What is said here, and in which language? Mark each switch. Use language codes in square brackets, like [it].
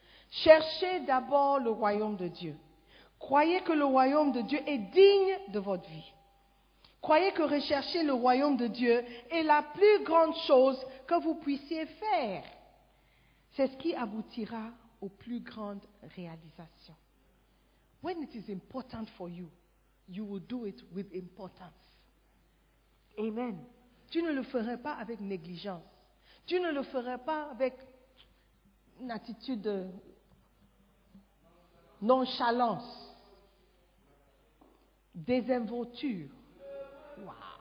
[fr] Cherchez d'abord le royaume de Dieu. Croyez que le royaume de Dieu est digne de votre vie. Croyez que rechercher le royaume de Dieu est la plus grande chose que vous puissiez faire. C'est ce qui aboutira aux plus grandes réalisations. [en] When it is important for you, you will do it with importance. Amen. [fr] Tu ne le ferais pas avec négligence. Tu ne le ferais pas avec une attitude de nonchalance, désinvolture. Wow.